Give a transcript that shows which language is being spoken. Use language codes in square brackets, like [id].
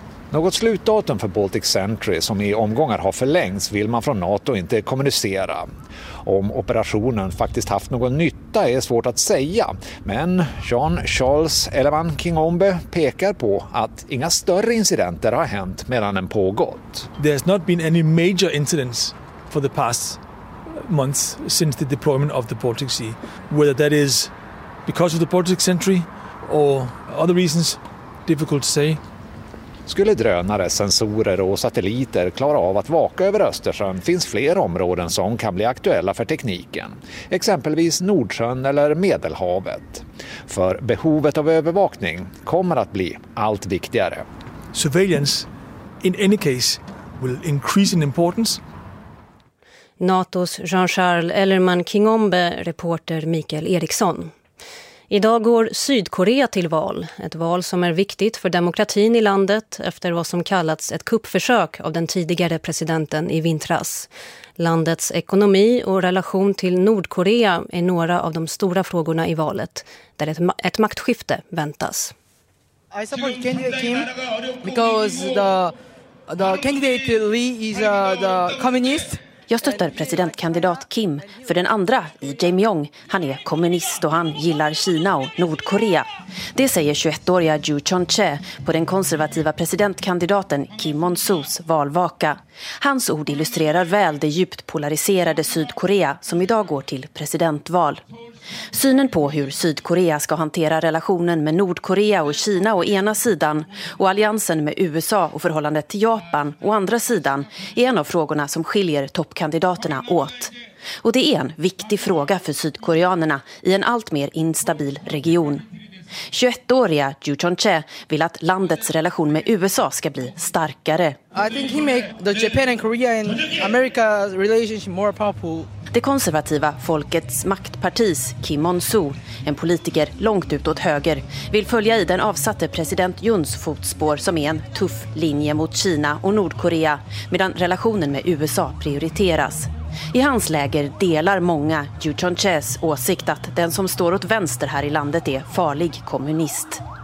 [sv] Något slutdatum för Baltic Sentry som i omgångar har förlängts vill man från NATO inte kommunicera. Om operationen faktiskt haft någon nytta är svårt att säga, men Jean-Charles Ellerman-Kingombe pekar på att inga större incidenter har hänt medan den pågått. [en] There's not been any major incidents for the past months since the deployment of the Baltic Sea. Whether that is because of the Baltic Sentry or other reasons, difficult to say. [sv] Skulle drönare, sensorer och satelliter klara av att vaka över Östersjön finns fler områden som kan bli aktuella för tekniken. Exempelvis Nordsjön eller Medelhavet. För behovet av övervakning kommer att bli allt viktigare. [en] Surveillance in any case will increase in importance. [sv] NATOs Jean-Charles Ellerman-Kingombe, reporter Mikael Eriksson. Idag går Sydkorea till val, ett val som är viktigt för demokratin i landet efter vad som kallats ett kuppförsök av den tidigare presidenten i vintras. Landets ekonomi och relation till Nordkorea är några av de stora frågorna i valet, där ett maktskifte väntas. [en] I support candidate Kim because the candidate Lee is the communist. [sv] Jag stöttar presidentkandidat Kim, för den andra, Lee Jae-myung, han är kommunist och han gillar Kina och Nordkorea. Det säger 21-åriga Ju Chon-che på den konservativa presidentkandidaten Kim Mon-soos valvaka. Hans ord illustrerar väl det djupt polariserade Sydkorea som idag går till presidentval. Synen på hur Sydkorea ska hantera relationen med Nordkorea och Kina å ena sidan och alliansen med USA och förhållandet till Japan å andra sidan är en av frågorna som skiljer toppkandidaterna åt. Och det är en viktig fråga för sydkoreanerna i en allt mer instabil region. 21-åriga Ju Chon-che vill att landets relation med USA ska bli starkare. [en] I think he make the Japan and Korea and America's relationship more powerful. [sv] Det konservativa Folkets maktpartis Kim Mon-soo, en politiker långt ut åt höger, vill följa i den avsatte president Juns fotspår som är en tuff linje mot Kina och Nordkorea, medan relationen med USA prioriteras. I hans läger delar många Ju Chon-ches åsikt att den som står åt vänster här i landet är farlig kommunist.